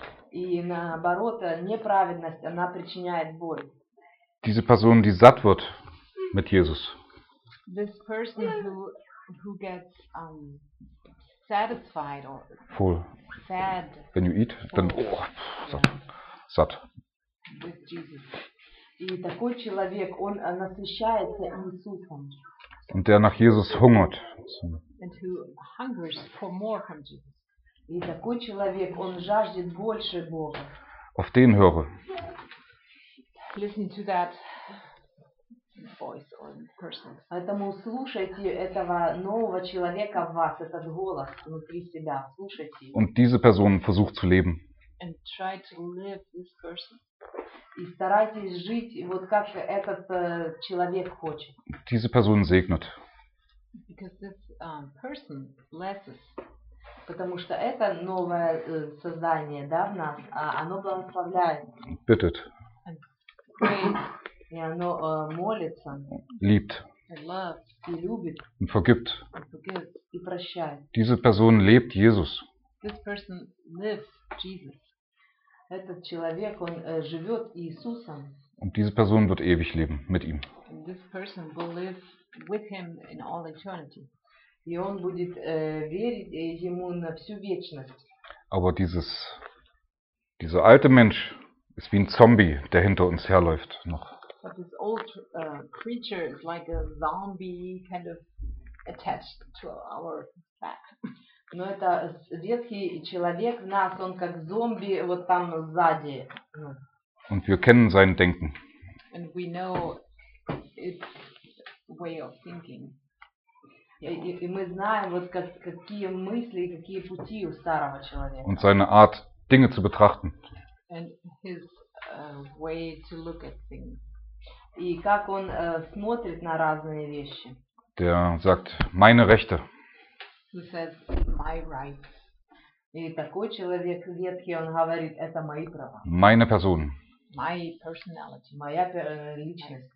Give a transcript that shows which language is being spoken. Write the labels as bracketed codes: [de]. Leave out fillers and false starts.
[ru] И наоборот, неправедность, она причиняет боль. [de] Diese Person, die satt wird mit Jesus. [en] This person who gets satisfied or full. Fed. When you eat, then satt. With Jesus. [ru] И такой человек, он насыщается Иисусом. [de] Und der nach Jesus hungert. [en] And who hungers for more from Jesus. [ru] И такой человек, он жаждет больше Бога. [de] Auf den höre. [en] Listen to that voice or person. [ru] Поэтому слушайте этого нового человека в вас, этот голос внутри себя. Слушайте. [de] Und diese Person versucht zu leben. [en] And try to live this person. [ru] И старайтесь жить, вот как этот человек хочет. [de] Diese Person segnet. [en] Because this person blesses. [ru] Потому что это новое создание, да, в нас, оно благословляет. [de] Bittet. [ru] И оно молится. [de] Liebt. [en] And loves. [ru] И любит. [de] Und vergibt. [ru] И прощает. [de] Diese Person lebt Jesus. [en] This person lives Jesus. [ru] Этот человек, он живет Иисусом. [de] Und diese Person wird ewig leben mit ihm. [en] And this person will live with him in all eternity. [ru] И он будет верить ему на всю вечность. [de] Aber dieser alte Mensch ist wie ein Zombie, der hinter uns herläuft noch. [en] But this old creature is like a zombie kind of attached to our back. [ru] Но это ветхий человек в нас, он как зомби вот там сзади. [de] Und wir kennen sein Denken. [en] And we know its way of thinking. [ru] И мы знаем, вот какие мысли, какие пути у старого человека. [de] Und seine Art, Dinge zu betrachten. [en] And his way to look at things. [ru] И как он смотрит на разные вещи. [de] Der sagt, meine Rechte. [en] He says, my rights. [ru] И такой человек ветхий, он говорит, это мои права. [de] Meine Person. [en] My personality. [ru] Моя личность.